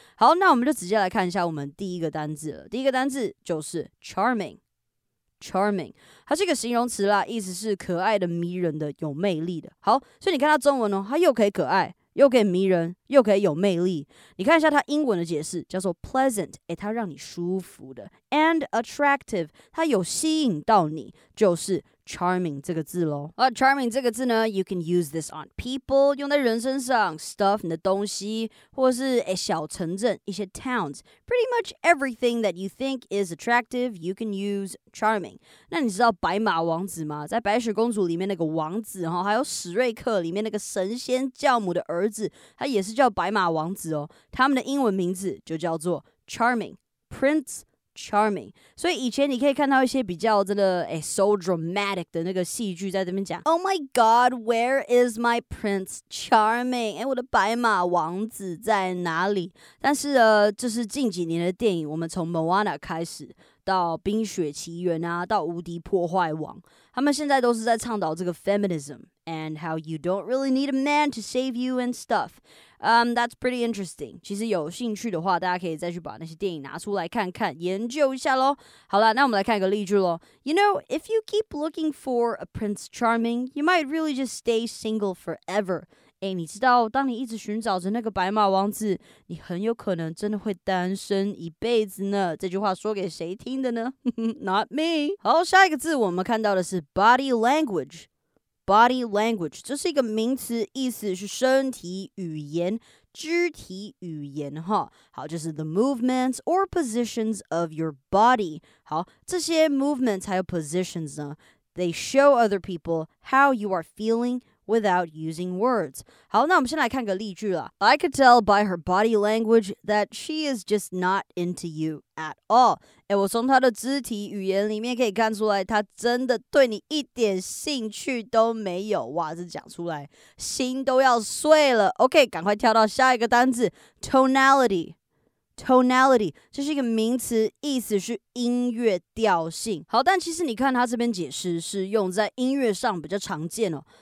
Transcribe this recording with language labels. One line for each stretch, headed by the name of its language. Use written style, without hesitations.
Chinese: 好，那我们就直接来看一下我们第一个单字了。第一个单字就是 charming， 它是一个形容词啦，意思是可爱的、迷人的、有魅力的。好，所以你看它中文哦，它又可以可爱，又可以迷人，又可以有魅力。你看一下它英文的解释，叫做 pleasant， 它让你舒服的。
English: And attractive，
Chinese: 它有吸引到你，就是charming 这个字咯。
English: charming
Chinese: 这个字呢
English: you can use this on people，
Chinese: 用在人身上
English: stuff 你的东西，
Chinese: 或是小城镇一些
English: towns， pretty much everything that you think is attractive you can use charming。
Chinese: 那你知道白马王子吗？在白雪公主里面那个王子，还有史瑞克里面那个神仙教母的儿子，他也是叫白马王子哦，他们的英文名字就叫做 charming， PrinceCharming， 所以以前你可以看到一些比较真的
English: so dramatic
Chinese: 的那个戏剧，在这边讲 ，
English: Oh my God， where is my Prince Charming？
Chinese: 我的白马王子在哪里？但是就是近几年的电影，我们从 Moana 开始，到《冰雪奇缘》啊，到《无敌破坏王》，他们现在都是在倡导这个
English: feminism and how you don't really need a man to save you and stuff。 That's pretty interesting.
Chinese: 其实有兴趣的话，大家可以再去把那些电影拿出来看看，研究一下咯。好啦，那我们来看一个例句咯。
English: You know, if you keep looking for a Prince Charming, you might really just stay single forever.
Chinese: 你知道，当你一直寻找着那个白马王子，你很有可能真的会单身一辈子呢。这句话说给谁听的呢？
English: Not me.
Chinese: 好，下一个字我们看到的是 body language。Body language 这是一个名词，意思是身体语言、肢体语言哈。好，就是
English: the movements or positions of your body。
Chinese: 好，这些
English: movements
Chinese: 还有
English: positions 呢 ，they show other people how you are feeling without using words。
Chinese: 好，那我们先来看个例句啦。
English: I could tell by her body language that she is just not into you at all。
Chinese: 我从她的肢体语言里面可以看出来，她真的对你一点兴趣都没有。哇，这讲出来心都要碎了。OK， 赶快跳到下一个单字 ，tonality。 Tonality 这是一个名词，意思是音乐调性。好，但其实你看它这边解释是用在音乐上比较常见哦。